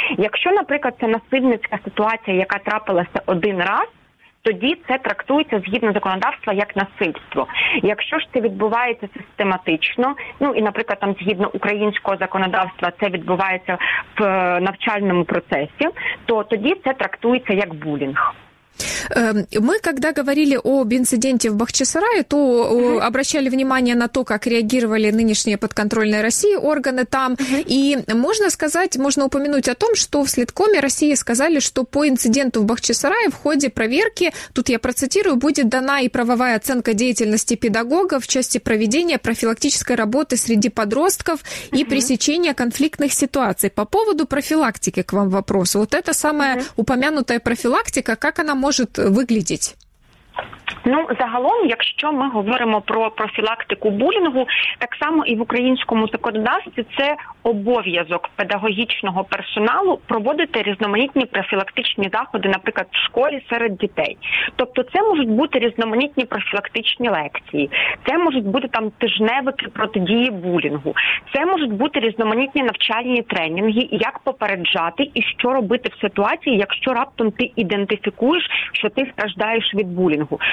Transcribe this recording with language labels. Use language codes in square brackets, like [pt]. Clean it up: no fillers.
[uk] Якщо, наприклад, це насильницька ситуація, яка трапилася один раз, тоді це трактується згідно законодавства як насильство. Якщо ж це відбувається систематично, ну і, наприклад, там згідно українського законодавства це відбувається в навчальному процесі, то тоді це трактується як булінг. [ru] Мы, когда говорили об инциденте в Бахчисарае, то обращали внимание на то, как реагировали нынешние подконтрольные России органы там. И можно упомянуть о том, что в Следкоме России сказали, что по инциденту в Бахчисарае в ходе проверки, тут я процитирую, будет дана и правовая оценка деятельности педагога в части проведения профилактической работы среди подростков и пресечения конфликтных ситуаций. По поводу профилактики к вам вопрос. Вот эта самая упомянутая профилактика, как она [uk] може виглядіти? Ну, загалом, якщо ми говоримо про профілактику булінгу, так само і в українському законодавстві це обов'язок педагогічного персоналу проводити різноманітні профілактичні заходи, наприклад, в школі серед дітей. Тобто це можуть бути різноманітні профілактичні лекції, це можуть бути там тижневики протидії булінгу, це можуть бути різноманітні навчальні тренінги, як попереджати і що робити в ситуації, якщо раптом ти ідентифікуєш, що ти страждаєш від булінгу.